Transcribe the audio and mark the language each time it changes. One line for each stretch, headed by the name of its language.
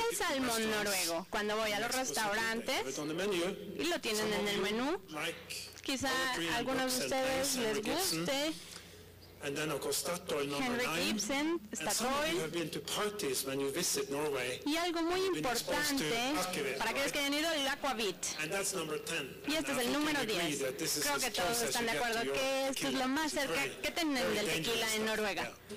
Spanish: y el salmón noruego, cuando voy a los restaurantes y lo tienen en el menú, quizá algunos de ustedes les guste.
English: And then of course Statoil, Henrik Ibsen, Statoil. Have been to parties when you visit Norway.
Spanish: Y algo muy importante para aquellos que hayan ido, el Aquavit.
English: And that's number 10.
Spanish: Y este es el número 10. Creo que todos están de acuerdo que esto es lo más cerca que tienen del tequila en Noruega.